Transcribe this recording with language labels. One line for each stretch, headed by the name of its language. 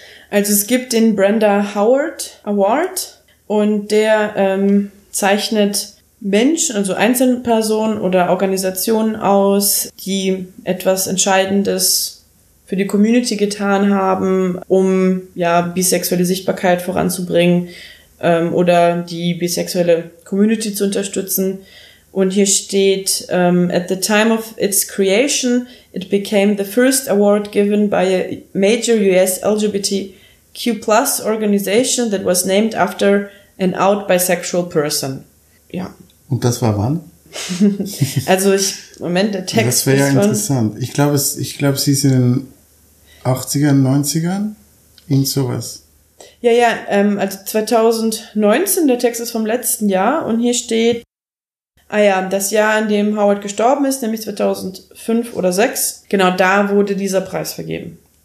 German: Also es gibt den Brenda Howard Award und der zeichnet Menschen, also einzelne Personen oder Organisationen aus, die etwas Entscheidendes für die Community getan haben, um ja bisexuelle Sichtbarkeit voranzubringen oder die bisexuelle Community zu unterstützen. Und hier steht,
English: at the time of its creation, it became the first award given by a major US LGBTQ+ organization that was named after an out bisexual person.
German: Ja. Und das war wann? Also ich, Moment, der Text ist von... Das wäre ja interessant. Ich glaube, sie ist in den 80ern, 90ern? Irgend sowas. Ja, ja, also 2019, der Text ist vom letzten Jahr und hier steht, das Jahr, in dem Howard gestorben ist, nämlich 2005 oder 2006, genau da wurde dieser Preis vergeben.